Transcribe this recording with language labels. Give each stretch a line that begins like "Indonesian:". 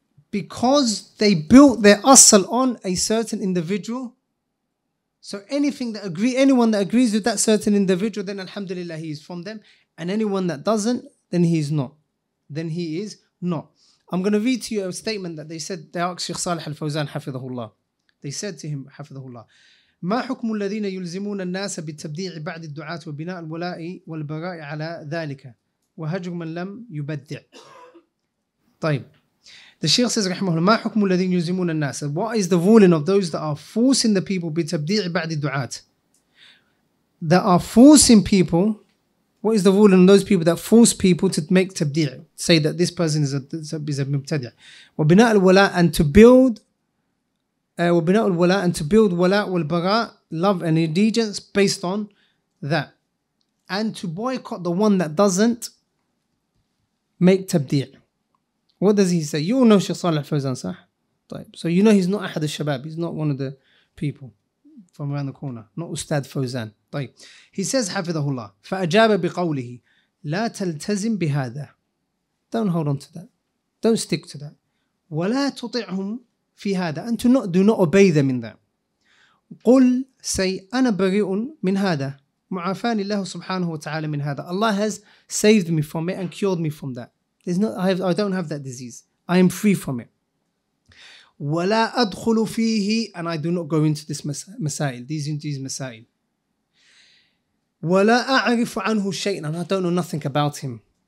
English: Because they built their asal on a certain individual. So anything that anyone that agrees with that certain individual, then alhamdulillah, he is from them. And anyone that doesn't, then he is not. Then he is not. I'm going to read to you a statement that they said. They asked Sheikh Saleh Al-Fawzan, hafidhahullah. They said to him,
Arabic: hafidhahullah, ما حكم الذين يلزمون الناس بالتبديع بعد الدعاة وبناء الولاء والبراء على ذلك وهجر من لم يبدع. طيب.
English: The Shaykh says,
Arabic: رحمه الله, مَا حُكْمُ الَّذِينَ يُزِمُونَ النَّاسَ.
English: What is the ruling of those that are forcing the people
Arabic: بِتَبْدِيعِ بَعْدِ الدُّعَاةِ?
English: That are forcing people, what is the ruling of those people that force people to make tabdi', say that this person is a mubtadi'?
Arabic: وَبِنَاءُ الْوَلَاء
English: and to build,
Arabic: وَبِنَاءُ الْوَلَاء
English: and to build
Arabic: وَلَاء وَالْبَرَاء,
English: love and allegiance based on that. And to boycott the one that doesn't make tabdi'. What does he say? You all know Shaykh Saleh Fawzan, sah? So you know he's not Ahad al-Shabab. He's not one of the people from around the corner. Not Ustad Fawzan.
Arabic: طيب.
English: He says,
Arabic: حفظه الله. فأجاب بقوله, لا تلتزم بهذا.
English: Don't hold on to that. Don't stick to that.
Arabic: ولا تطيعهم في هذا.
English: And to not, do not obey them in that.
Arabic: قل
English: say
Arabic: أنا بريء من هذا. معافاني الله سبحانه وتعالى من هذا.
English: Allah has saved me from it and cured me from that. There's not, I don't have that disease. I am free from it.
Arabic: ولا أدخل فيه.
English: And I do not go into this مسائل. These مسائل.
Arabic: وَلَا أَعْرِفُ عَنْهُ شَيْءٍ.
English: And I don't know nothing about him.